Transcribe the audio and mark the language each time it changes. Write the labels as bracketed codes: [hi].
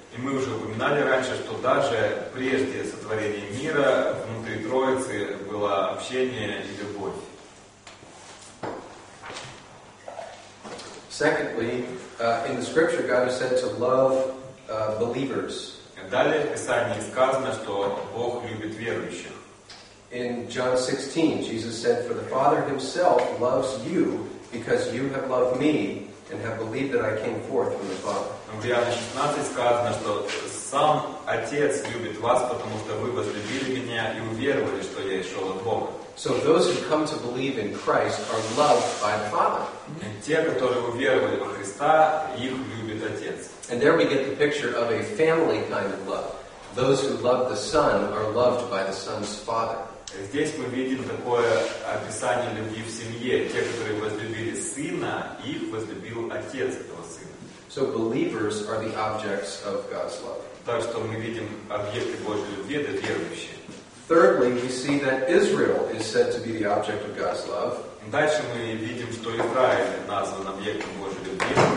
[ru] И мы уже упоминали раньше, что даже прежде сотворения мира внутри Троицы было общение и любовь. [en] Secondly, in the Scripture, God is said to love believers. [ru] Далее в Писании сказано, что Бог любит верующих. [en] In John 16, Jesus said, "For the Father Himself loves you, because you have loved me and have believed that I came forth from the Father." [ru] В Иоанна 16 сказано, что сам Отец любит вас, потому что вы возлюбили меня и уверовали, что я исшел от Бога. [en] So those who come to believe in Christ are loved by the Father. [ru] Те, которые уверовали во Христа, их любит Отец. [en] And there we get the picture of a family kind of love. Those who love the Son are loved by the Son's Father. [ru] Здесь мы видим такое описание любви в семье. Те, которые возлюбили Сына, их возлюбил Отец этого Сына. So believers are the objects of God's love. Так что мы видим объекты Божьей любви, это верующие. Thirdly, we see that Israel is said to be the object of God's love. Дальше мы видим, что Израиль назван объектом Божьей любви.